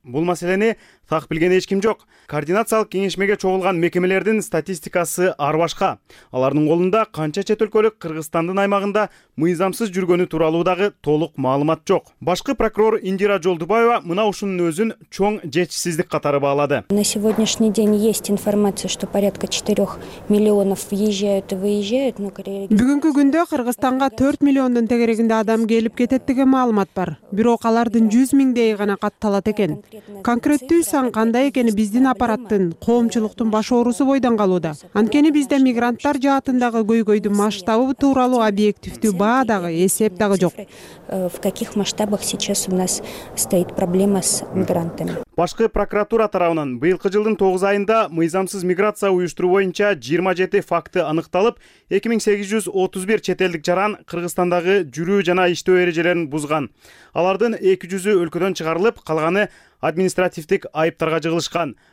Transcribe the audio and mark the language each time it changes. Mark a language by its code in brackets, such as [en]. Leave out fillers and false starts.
[ky] Бул маселени так билген эч ким жок. Координациялык кеңешмеге чогулган мекемелердин статистикасы ар башка. Алардын колунда канча чет өлкөлүк Кыргызстандын аймагында мыйзамсыз жүргөнү тууралуу дагы толук маалымат жок. Башкы прокурор Индира Жолдубаева мына ушунун өзүн чоң жетишсиздик катары баалады. [ru] На сегодняшний день есть информация, что порядка 4 миллионов въезжают и выезжают, но [ky] бүгүнкү күндө Кыргызстанга 4 миллиондон тегерегинде адам келип кетет деген маалымат бар. Бирок алардын 100 миңдей гана катталат экен. Конкреттүү сан кандай экени биздин аппараттын, коомчулуктун баш оорусу бойдон калууда. Анткени бизде мигранттар жаатындагы көйгөйдүн масштабы тууралуу объективдүү баа дагы, эсеп дагы жок. [ru] В каких масштабах сейчас у нас стоит проблема с мигрантами? [ky] Башкы прокуратура тарабынан быйылкы жылдын 9 айында мыйзамсыз миграция уюштуруу боюнча 27 факты аныкталып, 2831 чет элдик жаран Кыргызстандагы жүрүү жана иштөө эрежелерин бузган. Алардын 200 өлкөдөн чыгарылып, калганы административдик айыптарга жыгылышкан.